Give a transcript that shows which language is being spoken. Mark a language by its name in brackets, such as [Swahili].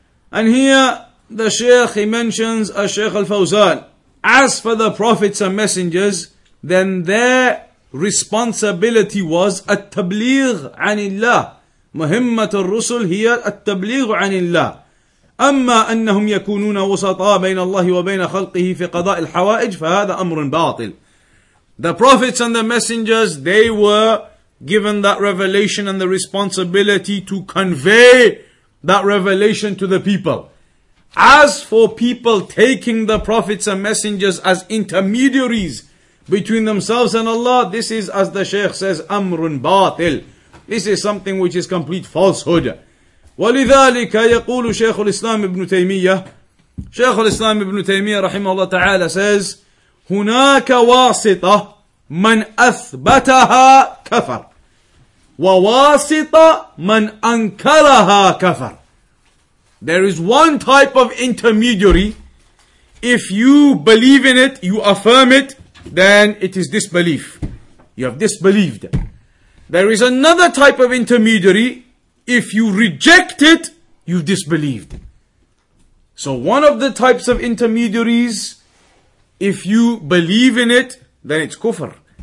[English] And here, the Shaykh, he mentions, a Shaykh al Fawzaan. As for the prophets and messengers, then their responsibility was at-tabliğ anillah. [Arabic] Muhimmat al-rusul hiya at-tabliğ anillah. أما أنهم يكونون وسطاء بين الله وبين خلقه في قضاء الحوائج فهذا أمر باطل. [English] The prophets and the messengers, they were given that revelation and the responsibility to convey that revelation to the people. As for people taking the prophets and messengers as intermediaries between themselves and Allah, this is, as the Shaykh says, [Arabic] أمر باطل. [English] This is something which is complete falsehood. [Arabic] ولذلك يقول شيخ الإسلام ابن تيمية شيخ الإسلام ابن تيمية رحمه الله تعالى [English] says [Arabic] هناك واسطة من أثبتها كفر وواسطة من أنكرها كفر. [English] There is one type of intermediary. If you believe in it, you affirm it, then it is disbelief. You have disbelieved. There is another type of intermediary. If you reject it, you've disbelieved. So one of the types of intermediaries, if you believe in it, then it's kufr.